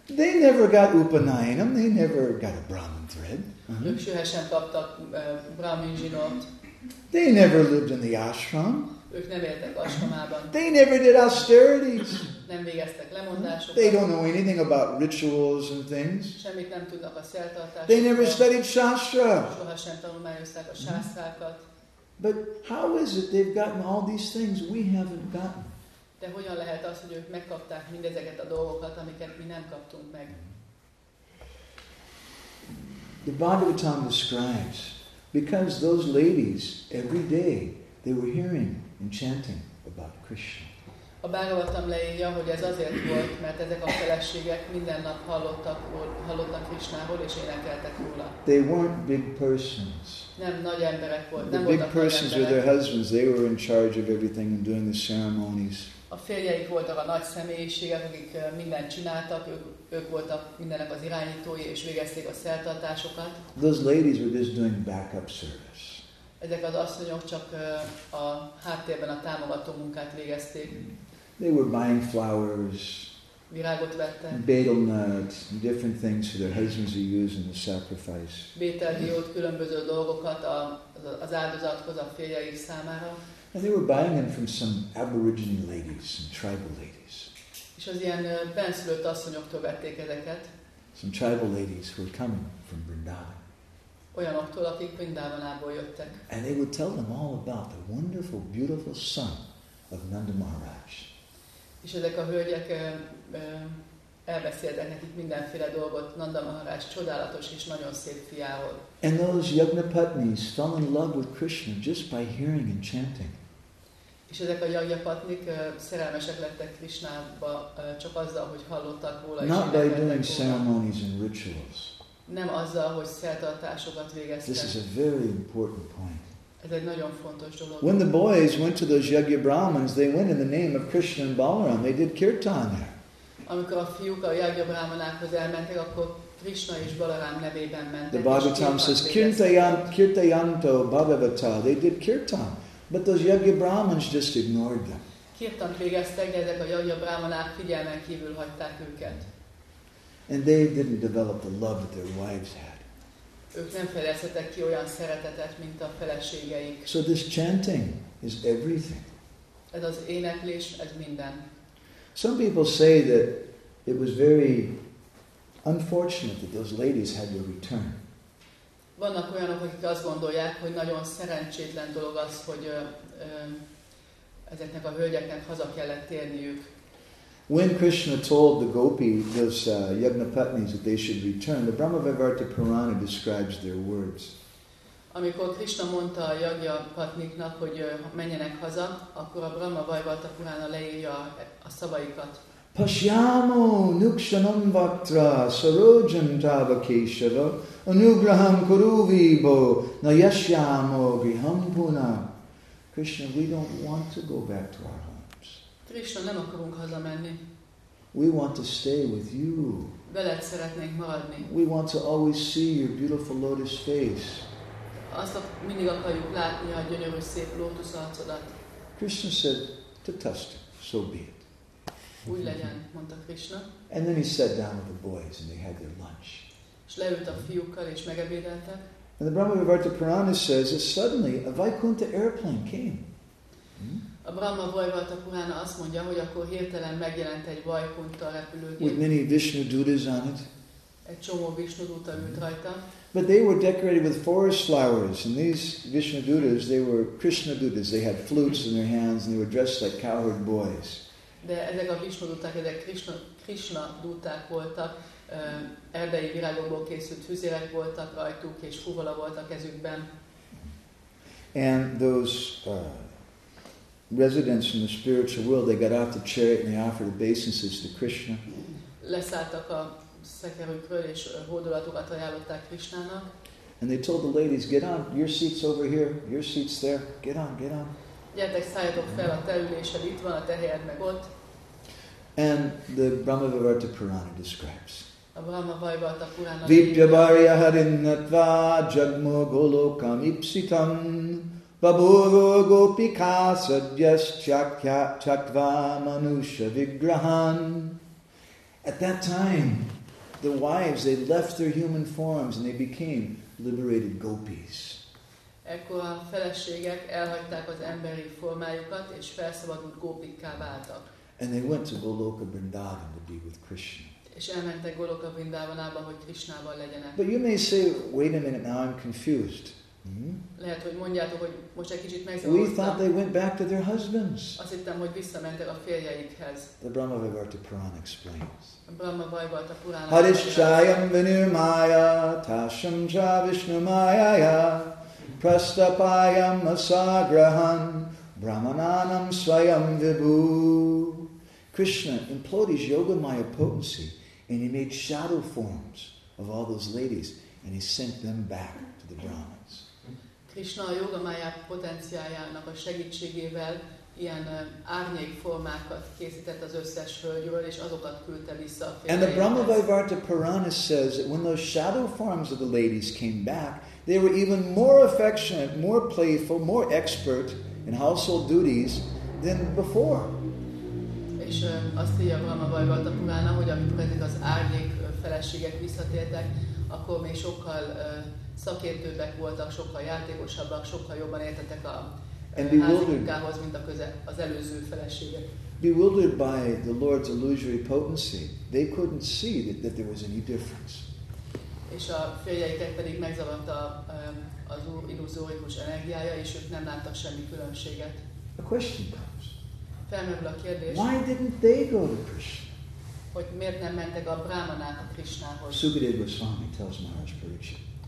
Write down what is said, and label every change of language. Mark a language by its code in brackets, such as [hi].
[en] They never got upanayanam, they never got a brahmin thread. [hu] Ők soha sem kaptak brahmin zsinót. [en] They never lived in the ashram. [hu] Ők nem éltek ashramában. [en] They never did austerities. [hu] Nem végeztek lemondásokat. [en] They don't know anything about rituals and things. [hu] Semmit nem tudnak a szertartásokat. [en] They never studied shastra. [hu] Soha sem tanulmányozták a sásztrákat. [en] But how is it they've gotten all these things we haven't gotten? [hu] De hogyan lehet az, hogy ők megkapták mindezeket a dolgokat, amiket mi nem kaptunk meg? [en] The Bhagavatam describes, because those ladies, every day, they were hearing and chanting about Krishna. [hu] A Bhagavatam leírja, hogy ez azért volt, mert ezek a feleségek minden nap hallottak Krishnáról és énekeltek róla. [en] They weren't big persons. [hu] Nem nagy emberek voltak. [en] The big persons were their husbands. They were in charge of everything and doing the ceremonies. [hu] A férjeik voltak a nagy személyiségek, akik mindent csináltak, ők voltak mindennek az irányítói, és végezték a szertartásokat. [en] Those ladies were just doing backup service. [hu] Ezek az asszonyok csak a háttérben a támogató munkát végezték. [en] They were buying flowers, [hu] virágot vettek, [en] betel nuts, different things for their husbands to use in the sacrifice. [hu] Betel diót, különböző dolgokat az áldozathoz a férjeik számára. [en] And they were buying them from some aborigine ladies, some tribal ladies. [hu] És az ilyen benszülött asszonyoktól vették ezeket. [en] Some tribal ladies who were coming from Vrindavan. [hu] Olyanoktól, akik Vrindavanából jöttek. [en] And they would tell them all about the wonderful, beautiful son of Nanda Maharaj. [hu] És ezek a hölgyek elbeszéltek nekik mindenféle dolgot Nanda Maharaj csodálatos és nagyon szép fiáról. [en] And those yajnapatnis fell in love with Krishna just by hearing and chanting. [hu] És ezek a yajnapatnik szerelmesek lettek Krishnába csak azzal, hogy hallottak róla. [en] Not by doing ceremonies and rituals. [hu] nem azzal, hogy szertartásokat végeztek. [en] This is a very important point. [hu] Ez egy nagyon fontos dolog. [en] When the boys went to those Yajna Brahmins, they went in the name of Krishna and Balaram. They did kirtan there. [hu] Amikor a fiúk a Yajna Brahmanákhoz elmentek, akkor Krishna és Balaram nevében mentek. [en] The Bhagavatam says, [sa] kirtayanto bhagavata. [en] They did kirtan. But those Yajna Brahmins just ignored them. [hu] Kirtant végeztek, de ezek a Yajna Brahmanák figyelmen kívül hagyták őket. [en] And they didn't develop the love that their wives had. [hu] Ők nem fejlesztettek ki olyan szeretetet, mint a feleségeik. [en] So this chanting is everything. [hu] Ez az éneklés, ez minden. [en] Some people say that it was very unfortunate that those ladies had to return. [hu] Vannak olyanok, akik azt gondolják, hogy nagyon szerencsétlen dolog az, hogy ezeknek a hölgyeknek haza kellett térniük. [en] When Krishna told the gopi, those yajnaputnis, that they should return, the Brahmavivarta Purana describes their words. [hu] Amikor Krishna mondta a yajna patniknak, hogy menjenek haza, akkor a Brahmavivarta Purana leírja a szavaikat. [sa] Pashyamo nukshanam vaktra sarojam tavakeshava anugraham kuruvibo na yashyamo viham puna. [en] Krishna, we don't want to go back to our home. [hu] Krishna, nem akarunk hazamenni. [en] We want to stay with you. [hu] Veled szeretnénk maradni. [en] We want to always see your beautiful lotus face. [hu] Azt mindig akarjuk látni a gyönyörű szép lótusz arcodat. [en] Krishna said, "Tatasthu, so be it." [hu] Úgy legyen, mondta Krishna. [en] And then he sat down with the boys and they had their lunch. [hu] És leült a fiúkkal és megebédeltek. [en] And the Brahmavivarta Purana says that suddenly a Vaikuntha airplane came. [hu] A Brahma Vaivarta Purana azt mondja, hogy akkor hirtelen megjelent egy Vaikuntha repülőgép. [en] With many Vishnu dutas on it. [hu] Egy csomó Vishnu duta ült rajta. [en] But they were decorated with forest flowers, and these Vishnu dutas, they were Krishna dutas. They had flutes in their hands, and they were dressed like cowherd boys. [hu] De ezek a Vishnu duták, ezek Krishna duták voltak, erdei virágokból készült füzérek voltak rajtuk, és fuvala volt a kezükben. [en] And those residents in the spiritual world, they got out the chariot and they offered obeisances to Krishna. [hu] Leszálltak a szekerükről és hódolatokat ajánlották Krishnának. [en] And they told the ladies, get on, your seat's over here, your seat's there, get on, get on. [hu] Gyertek, szálljatok fel, a te ülésed itt van, a te helyed meg ott. [en] And the Brahmavivarta Purana describes. [hu] A Brahmavivarta Purana. [sa] Vipyabharya harinnatva jagmo golokam ipsitam. Baburu gopika sadyas chakya chakva manusha vigrahan. [en] At that time, the wives, they left their human forms and they became liberated gopis. [hu] Ekkor a feleségek elhagyták az emberi formájukat és felszabadult gopikká váltak. [en] And they went to Goloka Vrindavan to be with Krishna. [hu] És elmentek Goloka Vrindavanába, hogy Krishnával legyenek. [en] But you may say, wait a minute, now I'm confused. [hu] Lehet, hogy mondjátok, hogy most egy kicsit megzavarodtam. [en] We thought they went back to their husbands. [hu] Azt hittem, hogy visszamentek a férjeikhez. [en] The Brahmavivarta Purana explains. [hu] A Brahmavivarta Purana. [sa] Harishchayam vinirmaya tasham cha vishnumayaya prastapayam asagrahan brahmananam svayam vibhu. [en] Krishna employed his yogamaya potency and he made shadow forms of all those ladies and he sent them back to the Brahmas. [hu] Krishna a jogamáját potenciájának a segítségével ilyen árnyék formákat készített az összes hölgyről, és azokat küldte vissza a férjeihez. [en] And the Brahmavivarta Purana says that when those shadow forms of the ladies came back, they were even more affectionate, more playful, more expert in household duties than before. [hu] És azt írja a Brahmavivarta Purana, hogy amikor ezek az árnyék feleségek visszatértek, akkor még sokkal szakértőbbek voltak, sokkal játékosabbak, sokkal jobban értettek a házikához, mint a az előző feleségek. [en] Bewildered by the Lord's illusory potency, they couldn't see that there was any difference. [hu] És a férjeiket pedig megzavarta az úr illuzórikus energiája, és ők nem láttak semmi különbséget. [en] A question comes. [hu] Felmerül a kérdés. [en] Why didn't they go to Krishna? [hu] Hogy miért nem mentek a Brahmanák a Krishnához? [en] Sukadeva Goswami tells Maharaj Pariksit.